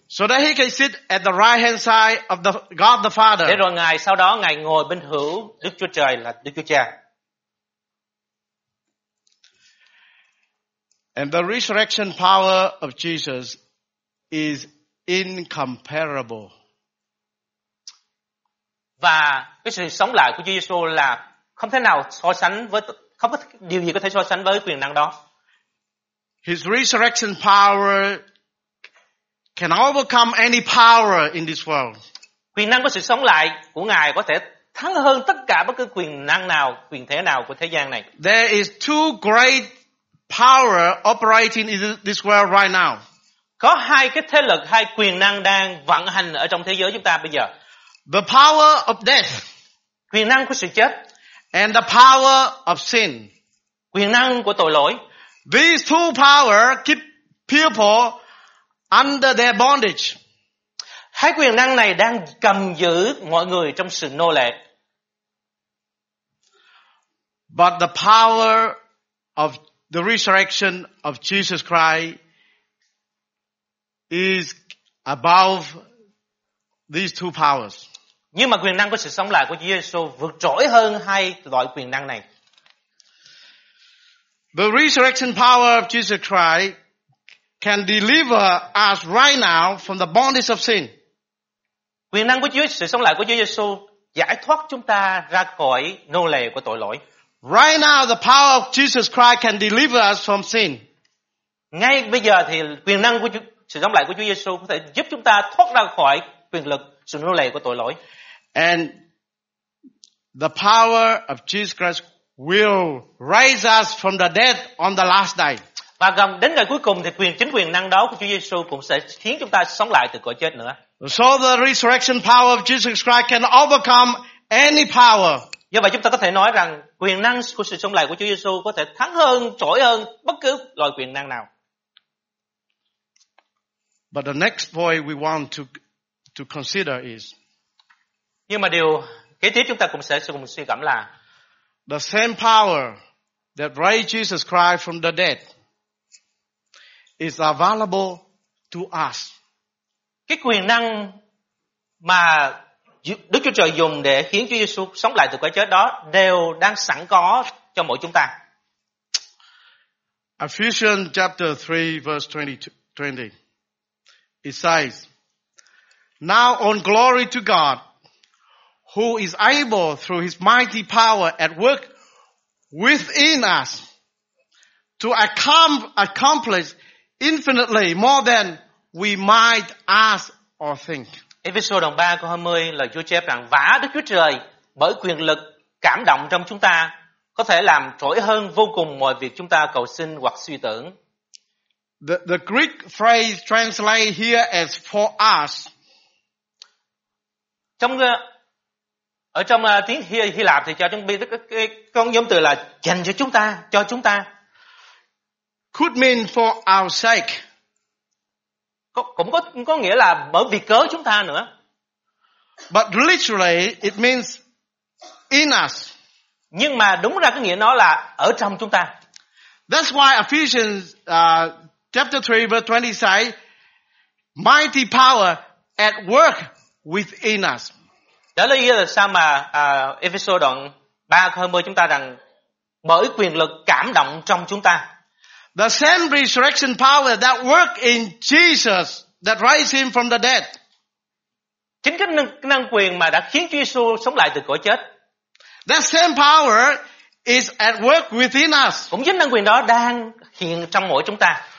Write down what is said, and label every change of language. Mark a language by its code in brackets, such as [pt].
[en] So that he can sit at the right hand side of the God the Father. [vi] Để rồi Ngài sau đó Ngài ngồi bên hữu Đức Chúa Trời là Đức Chúa Cha. [en] And the resurrection power of Jesus is incomparable. [vi] Và cái sự sống lại của Chúa Giêsu là không thể nào so sánh với, không có điều gì có thể so sánh với quyền năng đó. [en] His resurrection power can overcome any power in this world. [vi] Quyền năng của sự sống lại của Ngài có thể thắng hơn tất cả bất cứ quyền năng nào, quyền thế nào của thế gian này. [en] There is two great power operating in this world right now. [vi] Có hai cái thế lực, hai quyền năng đang vận hành ở trong thế giới chúng ta bây giờ. [en] The power of death. [vi] Quyền năng của sự chết. [en] And the power of sin. [vi] Quyền năng của tội lỗi. [en] These two power keep people under their bondage. [vi] Hai quyền năng này đang cầm giữ mọi người trong sự nô lệ. [en] But the power of the resurrection of Jesus Christ is above these two powers. [vi] Nhưng mà quyền năng của sự sống lại của Chúa Giêsu vượt trội hơn hai loại quyền năng này. [en] The resurrection power of Jesus Christ can deliver us right now from the bondage of sin. [vi] Quyền năng của Chúa, sự sống lại của Chúa Giêsu giải thoát chúng ta ra khỏi nô lệ của tội lỗi. [en] Right now, the power of Jesus Christ can deliver us from sin. [vi] Ngay bây giờ thì quyền năng của sự sống lại của Chúa Giêsu có thể giúp chúng ta thoát ra khỏi quyền lực sự nô lệ của tội lỗi. [en] And the power of Jesus Christ will raise us from the dead on the last day. [vi] Và gần đến ngày cuối cùng thì quyền chính quyền năng đó của Chúa Giêsu cũng sẽ khiến chúng ta sống lại từ cõi chết nữa. [en] So the resurrection power of Jesus Christ can overcome any power. [vi] Do vậy chúng ta có thể nói rằng quyền năng của sự sống lại của Chúa Giêsu có thể thắng hơn, trỗi hơn bất cứ loại quyền năng nào. [en] But the next point we want to consider is. [vi] Nhưng mà điều kế tiếp chúng ta cũng sẽ cùng suy gẫm là [en] the same power that raised Jesus Christ from the dead is available to us. [vi] Cái quyền năng mà Đức Chúa Trời dùng để khiến Chúa Giêsu sống lại từ cõi chết đó đều đang sẵn có cho mỗi chúng ta. [en] Ephesians chapter 3 verse 20. It says, "Now on glory to God, who is able through his mighty power at work within us to accomplish infinitely more than we might ask or think." [vi] Ephesians đoạn 3 câu 20 là Chúa chép rằng vả Đức Chúa Trời bởi quyền lực cảm động trong chúng ta có thể làm trỗi hơn vô cùng mọi việc chúng ta cầu xin hoặc suy tưởng. [en] The Greek phrase translated here as for us. [vi] Trong tiếng Hy Lạp thì cho chúng biết cái con giống từ là dành cho chúng ta, cho chúng ta. [en] Could mean for our sake. [vi] Cũng có nghĩa là bởi vì cớ chúng ta nữa. [en] But literally it means in us. [vi] Nhưng mà đúng ra cái nghĩa nó là ở trong chúng ta. [en] That's why Ephesians chapter 3 verse 20 says mighty power at work within us. [vi] Đó là lý do sao mà Ephesians đoạn 3 câu 20 chúng ta rằng bởi quyền lực cảm động trong chúng ta. [en] The same resurrection power that worked in Jesus that raised him from the dead. [vi] Chính cái năng quyền mà đã khiến Chúa Giêsu sống lại từ cõi chết. [en] That same power is at work within us. [vi] Cũng chính năng quyền đó đang hiện trong mỗi chúng ta.